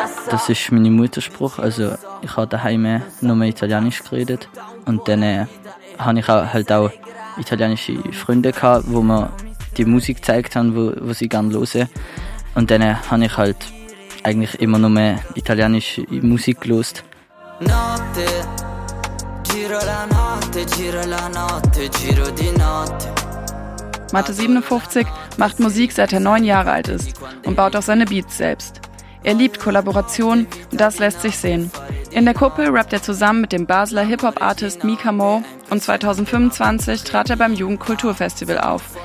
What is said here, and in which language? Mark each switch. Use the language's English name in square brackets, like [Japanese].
[German] Das ist meine Muttersprache. Also ich habe daheim nur mehr Italienisch geredet. Und dann habe ich auch, halt auch italienische Freunde gehabt, wo mir die Musik gezeigt haben, wo sie gerne hören. Und dann habe ich halt eigentlich immer nur mehr italienische Musik gehört. [Italian] Notte, giro la notte, giro la notte, giro di notte. [German] Matte 57 macht Musik, seit er 9 Jahre alt ist und baut auch seine Beats selbst. Er liebt Kollaborationen und das lässt sich sehen. In der Kuppel rappt er zusammen mit dem Basler Hip-Hop-Artist Mika Mo und 2025 trat er beim Jugendkulturfestival auf.